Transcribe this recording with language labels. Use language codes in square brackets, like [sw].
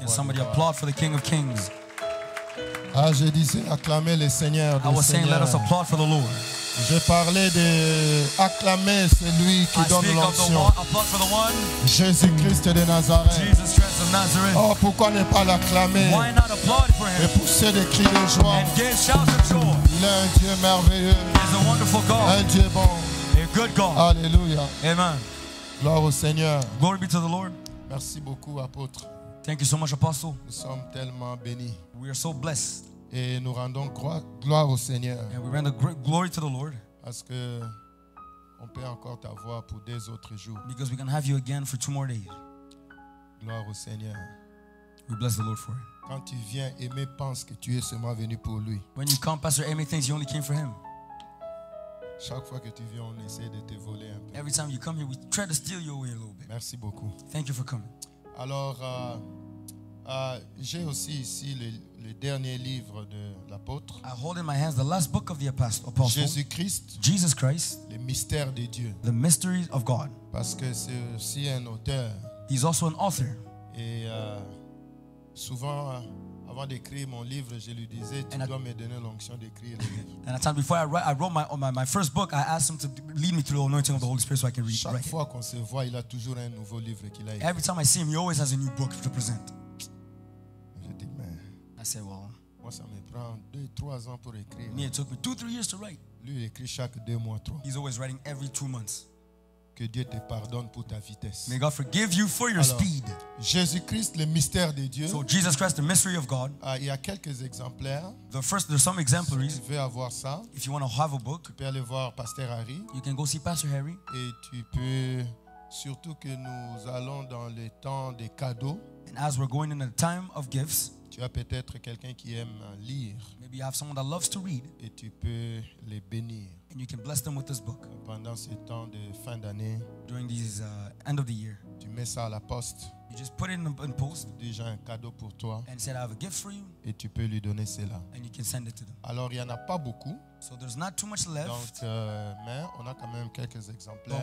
[en] Can somebody applaud for the King of Kings? [fr] Ah, je disais acclamer le Seigneur. [en] I was saying, let us applaud for the Lord. [fr] Je parlais de acclamer celui qui donne l'onction. Jésus-Christ de Nazareth. Oh, pourquoi ne pas l'acclamer? [en] Why not applaud for him? [fr] Et pousser des cris de joie. [en] And give shouts of joy. [fr] Il est un Dieu merveilleux. [en] He is a wonderful God. [fr] Un Dieu bon. [en] A good God. [fr] Alléluia. [en] Amen. [fr] Gloire au Seigneur. [en] Glory be to the Lord. [fr] Merci beaucoup, apôtre. [en] Thank you so much, apostle. [fr] Nous sommes tellement bénis. [en] We are so blessed. [fr] Et nous rendons gloire au Seigneur. [en] And we render glory to the Lord. [fr] Parce que on peut encore t'avoir pour deux autres jours. [en] Because we can have you again for two more days. [fr] Gloire au Seigneur. [en] We bless the Lord for it. [fr] Quand tu viens, Aimé pense que tu es seulement venu pour lui. [en] When you come, Pastor Aimé thinks you only came for him. [fr] Chaque fois que tu viens, on essaie de te voler un peu. [en] Every time you come here, we try to steal you away a little bit. [fr] Merci beaucoup. [en] Thank you for coming. [fr] Alors, j'ai aussi ici le dernier livre de l'apôtre. [en] I hold in my hands the last book of the apostle. [fr] Jésus Christ. [en] Jesus Christ. [fr] Les mystères de Dieu. [en] The mysteries of God. [fr] Parce que c'est aussi un auteur. [en] He's also an author. [fr] Et souvent, avant d'écrire mon livre, je lui disais, tu dois me donner l'onction d'écrire le livre. [en] And at times before I wrote my first book, I asked him to lead me through the anointing of the Holy Spirit so I can read. [fr] Chaque fois qu'on se voit, il a toujours un nouveau livre qu'il a écrit. [en] Every time I see him, he always has a new book to present. I said, well, [fr] moi ça me prend 2-3 ans pour écrire. [en] Me, it took me 2-3 years to write. [fr] Lui, il écrit chaque 2 mois, 3. [en] He's always writing every 2 months. [fr] Que Dieu te pardonne pour ta vitesse. [en] May God forgive you for your speed. [fr] Jésus-Christ, le mystère de Dieu. [en] So Jesus Christ, the mystery of God. [fr] Il y a quelques exemplaires. [en] The first, there's some exemplaries. [fr] Si tu veux avoir ça, [en] if you want to have a book, [fr] tu peux aller voir Pasteur Harry. [en] You can go see Pastor Harry. [fr] Et tu peux, surtout que nous allons dans le temps des cadeaux. [en] And as we're going in the time of gifts. [fr] Tu as peut-être quelqu'un qui aime lire. [en] Maybe you have someone that loves to read. [fr] Et tu peux les bénir. [en] And you can bless them with this book. [fr] Pendant ce temps de fin d'année. [en] During these end of the year. [fr] Tu mets ça à la poste. [en] You just put it in post. [fr] Déjà un cadeau pour toi. [en] And said I have a gift for you. [fr] Et tu peux lui donner cela. [en] And you can send it to them. [fr] Alors il y en a pas beaucoup. [en] So there's not too much left. [fr] Donc mais on a quand même quelques exemplaires.